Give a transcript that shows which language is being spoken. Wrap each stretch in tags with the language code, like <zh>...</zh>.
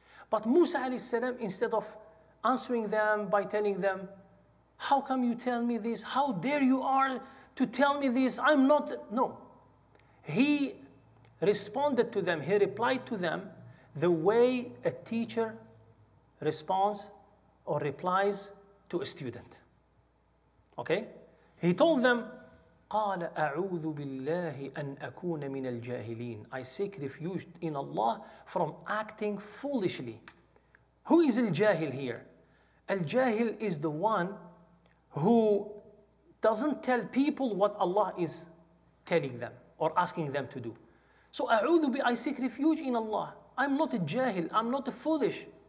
<en>But Musa alayhi salam, instead of answering them by telling them, how come you tell me this? How dare you are to tell me this? I'm not, no. He responded to them, he replied to them the way a teacher responds or replies to a student. Okay? He told them,</en> <ar>قال أعوذ بالله أن أكون من الجاهلين.</ar> <en>I seek refuge in Allah from acting foolishly. Who is al-jahil here? Al-jahil is the one who doesn't tell people what Allah is telling them or asking them to do. So</en> <ar>أعوذ بي,</ar> <en>I seek refuge in Allah. I'm not a jahil, I'm not a foolish.</en>